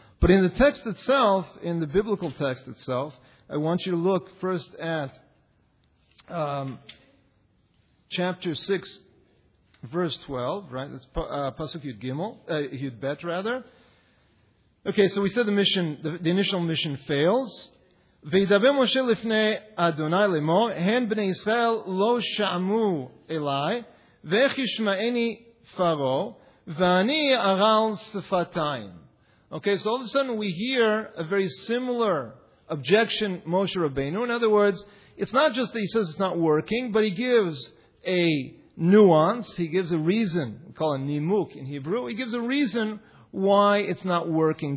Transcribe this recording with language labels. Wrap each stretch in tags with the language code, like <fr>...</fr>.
<en>But in the text itself, in the biblical text itself, I want you to look first at chapter 6, verse 12, right? That's Pasuk Yud Gimel, Yud Bet, rather. Okay, so we said the mission, the initial mission fails.</en> <he>וידבר משה לפני אדוני לאמור, הן בני ישראל לא שעמו אלי, ואיך ישמעני פרעה, ואני ארעל שפתיים.</he> <en>Okay, so all of a sudden we hear a very similar objection, Moshe Rabbeinu. In other words, it's not just that he says it's not working, but he gives a nuance, he gives a reason, we call it nimuk in Hebrew, he gives a reason why it's not working.</en>